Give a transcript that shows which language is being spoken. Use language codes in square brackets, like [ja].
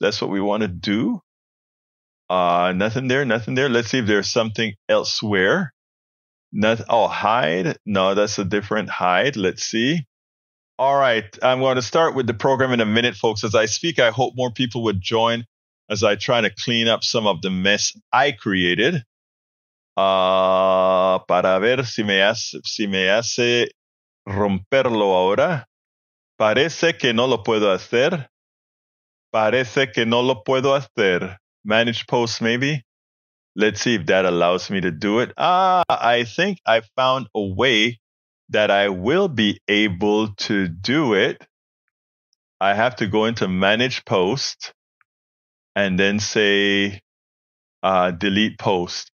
[en] That's what we want to do. Nothing there. Let's see if there's something elsewhere. Not, oh, hide? No, that's a different hide. Let's see. All right. I'm going to start with the program in a minute, folks. As I speak, I hope more people would join as I try to clean up some of the mess I created. [es] Para ver si me hace romperlo ahora. Parece que no lo puedo hacer. Parece que no lo puedo hacer. [en] Manage posts, maybe. Let's see if that allows me to do it. I think I found a way that I will be able to do it. I have to go into manage post and then say delete post.